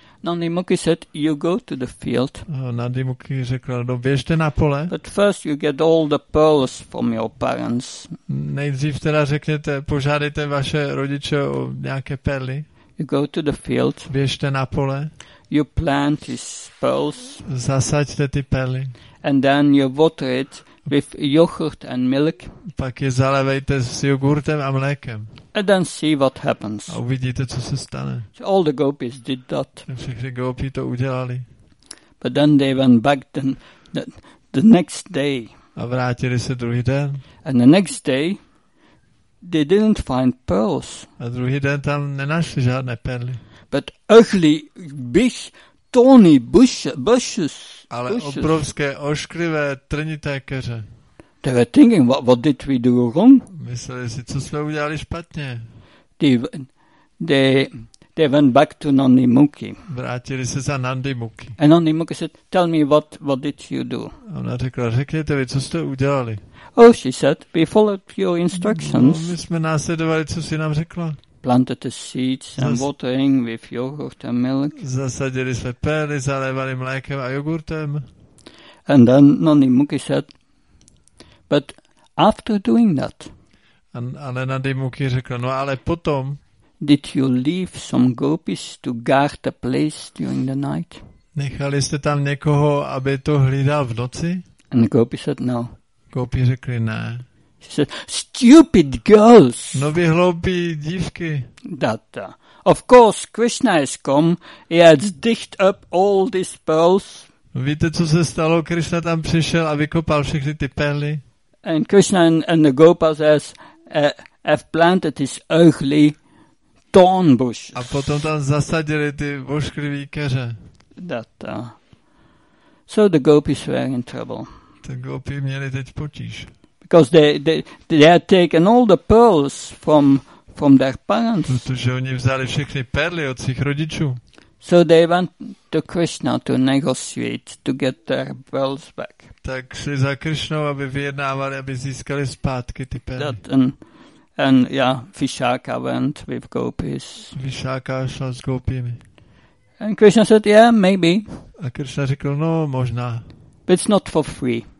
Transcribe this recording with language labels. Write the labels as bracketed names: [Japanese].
[English] Nandi Muki said, "You go to the field." [Czech] Nandi Muki řekl, no, běžte na pole. [English] But first you get all the pearls from your parents. [Czech] Nejdřív teda řekněte, požádejte vaše rodiče o nějaké perly. [English] You go to the field. [Czech] Běžte na pole. [English] You plant these pearls. [Czech] Zasaďte ty perly. [English] And then you water it with yogurt and milk. [Czech] Pak je zalévejte s jogurtem a mlékem. [English] And then see what happens. [Czech] A uvidíte, co se stane. [English] So all the gopis did that. [Czech] Všechny gopi to udělali. [English] But then they went back the next day. [Czech] A vrátili se druhý den. [English] And the next day they didn't find pearls. [Czech] A druhý den tam nenašli žádné perly. [English] But ugly, big, thorny bushes. [Czech] Ale obrovské, ošklivé, trnité keře. [English] They were thinking, what did we do wrong? [Czech] Mysleli si, co jsme udělali špatně. [English] They they went back to Nandimukhi. [Czech] Vrátili se za Nandimukhi. [English] And Nandimukhi said, tell me what did you do? [Czech] A ona řekla, řekněte mi, co jste udělali? [English] Oh, she said, we followed your instructions. [Czech] No, my jsme následovali, co jsi nám řekla. [English] Planted the seeds and watering with yogurt and milk. [Czech] Zasadili jsme pely, zalévali mlékem a jogurtem. [English] And then Nandimukhi said, but after doing that, [Czech] ale Nandimukhi řekl, no ale potom, [English] did you leave some gopis to guard the place during the night? [Czech] Nechali jste tam někoho, aby to hlídal v noci? [English] And the gopis said no. [Czech] Gopi řekli ne. [English] She said, stupid girls. [Czech] No vy hloupí dívky. [English] That, of course, Krishna has come. He has dicked up all these pearls. [Czech] Víte, co se stalo? Krishna tam přišel a vykopal všechny ty perly. [English] And Krishna and the gopas has have planted his ugly thorn bushes. [Czech] A potom tam zasadili ty ošklivý keře. [English] So the gopis were in trouble. [Czech] Ty gopi měli teď potíž. [English] Because they had taken all the pearls from their parents. [Czech] Protože oni vzali všechny perly od svých rodičů. [English] So they went to Krishna to negotiate to get their pearls back. [Czech] Tak šli za Krishnou, aby vyjednávali, aby získali zpátky ty perly. [English] Vishaka went with gopis. [Czech] Vishaka šla s gopimi. [English] And Krishna said, yeah, maybe. [Czech] A Krishna řekl, no, možná. [English] But it's not for free.